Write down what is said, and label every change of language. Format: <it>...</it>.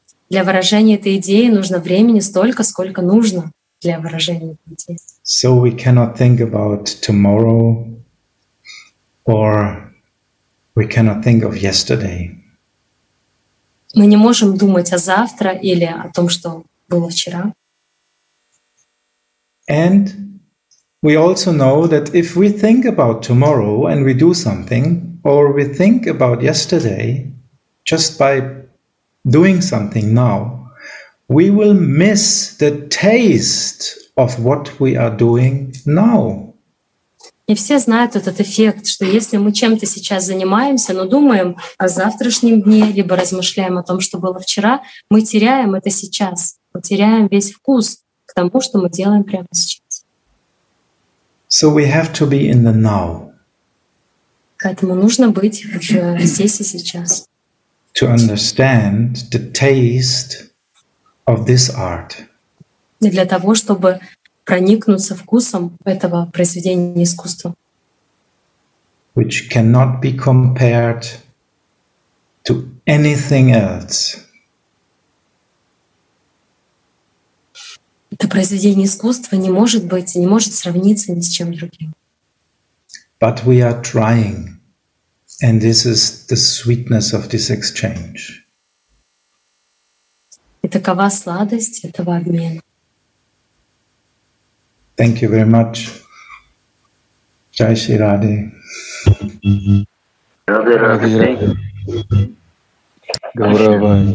<ru>Для выражения этой идеи нужно времени столько, сколько нужно для выражения этой идеи.</ru> <en>So we cannot think about tomorrow, or we cannot think of yesterday.</en> <ru>Мы не можем думать о завтра или о том, что было вчера.</ru> <en>And we also know that if we think about tomorrow and we do something, or we think about yesterday, just by doing something now, we will miss the taste of what we are doing now.</en> <ru>И все знают этот эффект, что если мы чем-то сейчас занимаемся, но думаем о завтрашнем дне, либо размышляем о том, что было вчера, мы теряем это сейчас, потеряем весь вкус к тому, что мы делаем прямо сейчас.</ru> <en>So we have to be in the now.</en> <ru>Поэтому нужно быть в здесь и сейчас.</ru> <en>To understand the taste of this art.</en> <ru>И для того, чтобы проникнуться вкусом этого произведения искусства.</ru> <en>Which cannot be compared to anything else.</en> <ru>Это произведение искусства не может быть, не может сравниться ни с чем другим.</ru> <en>But we are trying, and this is the sweetness of this exchange.</en> <ru>И такова сладость этого обмена.</ru> <en>Thank you very much. Jai Shri Radhe. Radhe Radhe. Gaurava.</en>